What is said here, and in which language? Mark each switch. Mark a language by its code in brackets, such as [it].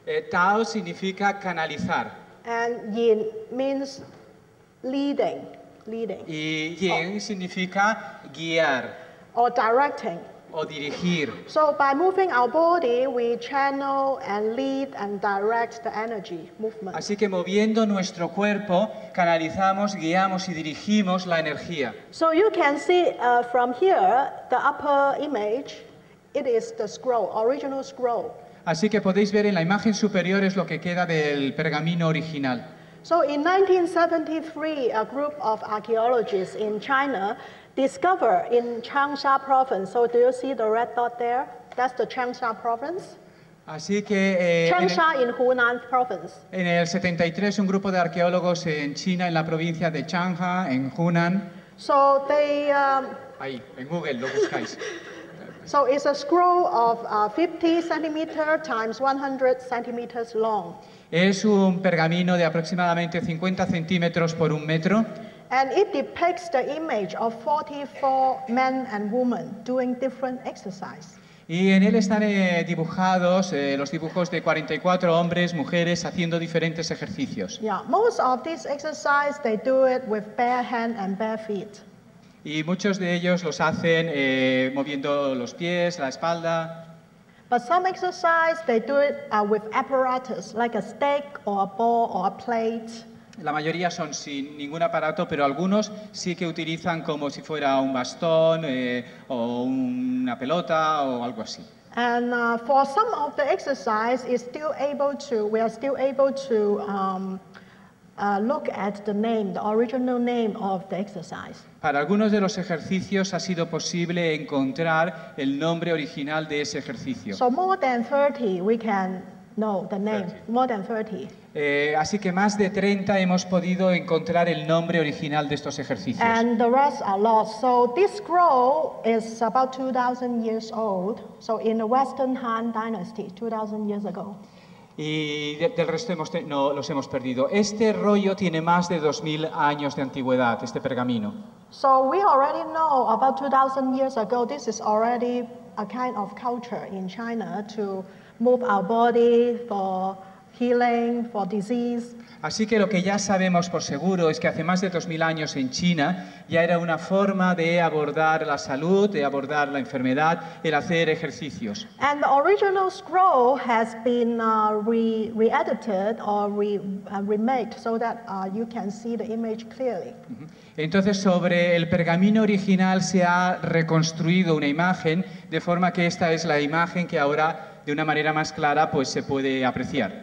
[es] Tao significa canalizar. [en] And Yin means leading. Leading. [es] Y Yin significa guiar. [en] Or directing. [es] O dirigir. [en] So by moving our body, we channel and lead and direct the energy movement. [es] Así que moviendo nuestro cuerpo, canalizamos, guiamos y dirigimos la energía. [en] So you can see from here, the upper image, it is the scroll, original scroll. [es] Así que podéis ver en la imagen superior es lo que queda del pergamino original. [en] So in 1973, a group of archaeologists in China discovered in Changsha province. So do you see the red dot there? That's the Changsha province. [es] Así que [en] Changsha in Hunan province. [es] En el 73, un grupo de arqueólogos en China, en la provincia de Changsha, en Hunan. [en] So they. [es] Ahí, en Google lo buscáis. [en] So it's a scroll of 50 centimeters times 100 centimeters long. [es] Es un pergamino de aproximadamente 50 centímetros por un metro. [en] And it depicts the image of 44 men and women doing different exercises. [es] Y en él están dibujados los dibujos de 44 hombres, mujeres haciendo diferentes ejercicios. [en] Yeah, most of these exercises they do it with bare hand and bare feet. [es] Y muchos de ellos los hacen moviendo los pies, la espalda. [en] But some exercises they do it with apparatus, like a stick or a ball or a plate. [es] La mayoría son sin ningún aparato, pero algunos sí que utilizan como si fuera un bastón o una pelota o algo así. [en] And for some of the exercise, we are still able to look at the name, the original name of the exercise. [es] Para algunos de los ejercicios ha sido posible encontrar el nombre original de ese ejercicio. [en] So more than 30 we can know the name. 30. More than 30. [es] Así que más de 30 hemos podido encontrar el nombre original de estos ejercicios. [en] And the rest are lost. So this scroll is about 2,000 years old. So in the Western Han Dynasty, 2,000 years ago. [es] Y del resto los hemos perdido. Este rollo tiene más de 2,000 años de antigüedad, este pergamino. [en] So we already know about 2,000 years ago, this is already a kind of culture in China to move our body for healing, for disease. [es] Así que lo que ya sabemos por seguro es que hace más de 2,000 años en China ya era una forma de abordar la salud, de abordar la enfermedad, el hacer ejercicios. [en] And the original scroll has been re-edited or remade so that you can see the image clearly. [es] Entonces, sobre el pergamino original se ha reconstruido una imagen, de forma que esta es la imagen que ahora de una manera más clara, pues se puede apreciar.